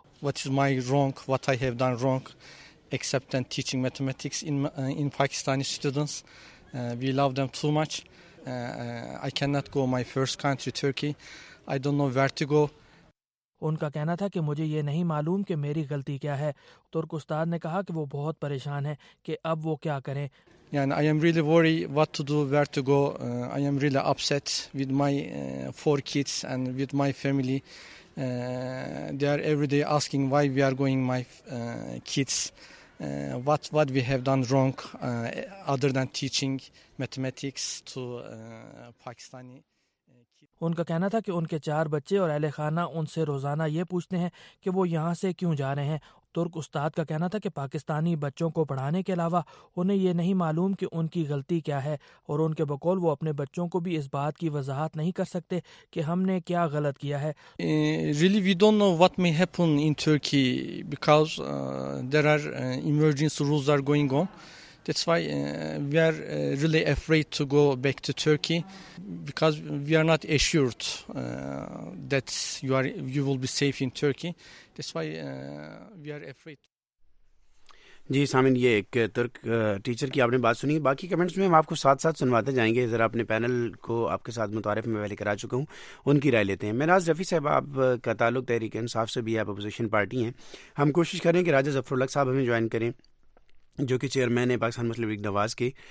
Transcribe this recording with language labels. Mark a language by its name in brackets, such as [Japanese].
[English] What is my wrong, what I have done wrong except and teaching mathematics in Pakistani students, we love them too much, I can not go my first country Turkey, I don't know where to go. [Urdu] ان کا کہنا تھا کہ مجھے یہ نہیں معلوم کہ میری غلطی کیا ہے۔ ترک استاد نے کہا کہ وہ بہت پریشان ہے کہ اب وہ کیا کریں۔ [English] And I am really worried what to do, where to go. I am really upset with my 4 kids and with my family. They are every day asking why we are going, my kids. What we have done wrong other than teaching mathematics to Pakistani kids. [Urdu] ان کا کہنا تھا کہ ان کے 4 بچے اور اہل خانہ ان سے روزانہ یہ پوچھتے ہیں کہ وہ یہاں سے کیوں جا رہے ہیں ترک استاد کا کہنا تھا کہ پاکستانی بچوں کو پڑھانے کے علاوہ انہیں یہ نہیں معلوم کہ ان کی غلطی کیا ہے، اور ان کے بقول وہ اپنے بچوں کو بھی اس بات کی وضاحت نہیں کر سکتے کہ ہم نے کیا غلط کیا ہے. [English] Really we don't know what may happen in Turkey because there are emergency rules are going on. That's why we are really afraid to go back to Turkey because we are not assured that you will be safe in Turkey. That's why we are afraid. [Urdu] جی سامن، یہ ایک ترک teacher کی آپ نے بات سنی. باقی comments میں ہم آپ کو ساتھ ساتھ سنواتے جائیں گے. ذرا اپنے پینل کو آپ کے ساتھ متعارف میں پہلے کرا چکا ہوں، ان کی رائے لیتے ہیں. مہراج رفیع صاحب، آپ کا تعلق تحریک انصاف سے بھی، آپ اپوزیشن پارٹی ہیں. ہم کوشش کریں کہ راجہ ظفر الحق صاحب ہمیں جوائن کریں، جو کہ چیئرمین ہے پاکستان مسلم لیگ نواز کے.